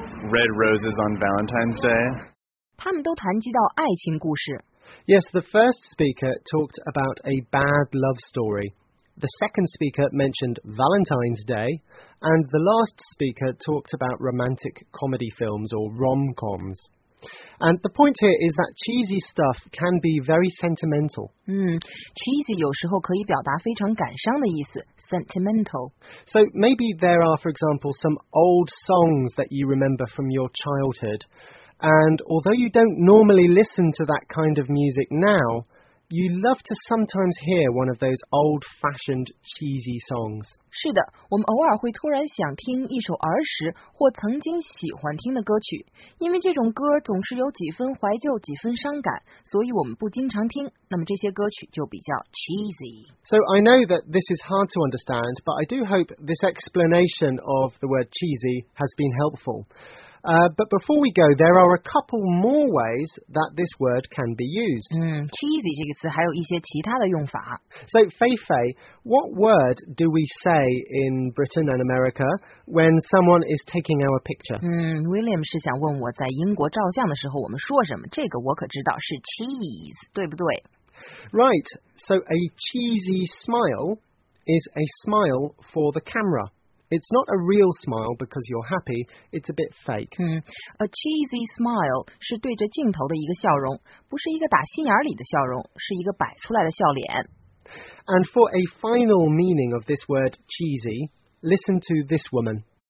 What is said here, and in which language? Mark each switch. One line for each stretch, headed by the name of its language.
English: Red Roses on Valentine's Day.
Chinese: 他们都谈及到爱情故事。
English: Yes, the first speaker talked about a bad love story. The second speaker mentioned Valentine's Day. And the last speaker talked about romantic comedy films or rom-coms. And the point here is that cheesy stuff can be very sentimental.
Chinese: Cheesy 有时候可以表达非常感伤的意思 sentimental.
English: So maybe there are, for example, some old songs that you remember from your childhood. And although you don't normally listen to that kind of music now, you love to sometimes hear one of those old-fashioned cheesy songs.
Chinese: 是的，我们偶尔会突然想听一首儿时或曾经喜欢听的歌曲，因为这种歌总是有几分怀旧，几分伤感，所以我们不经常听，那么这些歌曲就比较 cheesy.
English: So I know that this is hard to understand, but I do hope this explanation of the word cheesy has been helpful. But before we go, there are a couple more ways that this word can be used.
Chinese: Cheesy 这个词还有一些其他的用法。
English: So, Feifei, what word do we say in Britain and America when someone is taking our picture?
Chinese: William 是想问我在英国照相的时候我们说什么，这个我可知道是 cheese, 对不对？
English: Right, so a cheesy smile is a smile for the camera. It's not a real smile because you're happy. It's a bit fake. A cheesy smile
Chinese: 是对着镜头的一个笑容，不是一个打心眼里的笑容，是一个摆出来的笑脸。
English: And for a final meaning of this word cheesy, listen to this woman.